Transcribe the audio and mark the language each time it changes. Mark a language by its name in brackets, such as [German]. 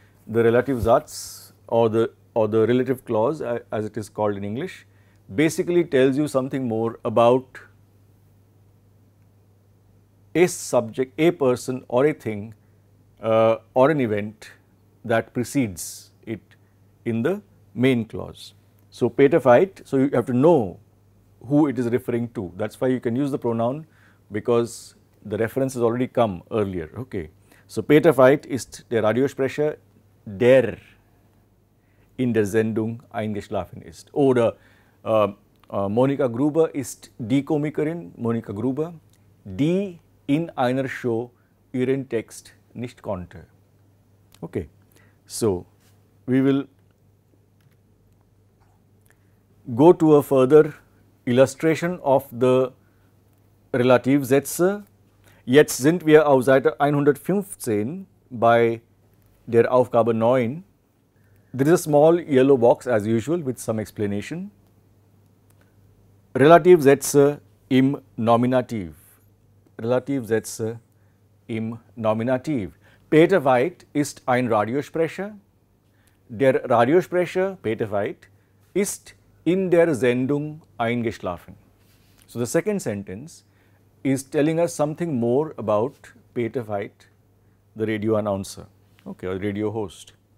[English] The Relativsatz, or the relative clause as it is called in English, basically tells you something more about a subject, a person, or a thing, or an event that precedes it in the main clause. So Peter Veit, so you have to know who it is referring to. That's why you can use the pronoun, because the reference has already come earlier. Okay. [German] So Peter Veit ist der Radiosprecher, der in der Sendung eingeschlafen ist. Oder Monika Gruber ist die Komikerin, Monika Gruber, die in einer Show ihren Text nicht konnte. [English] Okay. So we will go to a further illustration of the Relativsätze. [German] Jetzt sind wir auf Seite 115 bei der Aufgabe 9. [English] There is a small yellow box as usual with some explanation. [German] Relativsätze im Nominativ. Relativsätze im Nominativ. Peter Veit ist ein Radiosprecher. Der Radiosprecher Peter Veit ist in der Sendung eingeschlafen. [English] So the second sentence is telling us something more about Peter Veit, the radio announcer, okay, or radio host.